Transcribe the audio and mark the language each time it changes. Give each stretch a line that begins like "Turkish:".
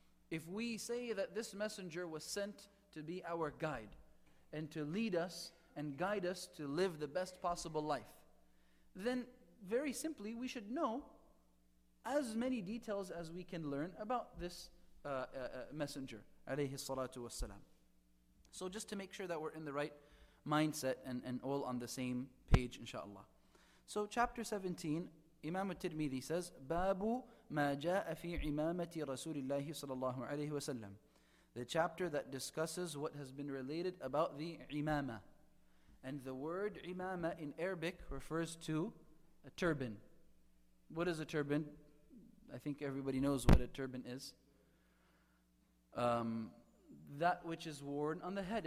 English: If we say that this messenger was sent to be our guide and to lead us and guide us to live the best possible life, then very simply we should know as many details as we can learn about this messenger alayhi salatu wassalam. So just to make sure that we're in the right mindset and all on the same page, inshaAllah. So chapter 17, Imam al-Tirmidhi says,
Arabic: بَابُ مَا جَاءَ فِي عِمَامَةِ رَسُولِ اللَّهِ صَلَى اللَّهُ عَلَيْهِ وَسَلَّمُ.
English: The chapter that discusses what has been related about the imama. And the word imama in Arabic refers to a turban. What is a turban? I think everybody knows what a turban is. That which is worn on the head.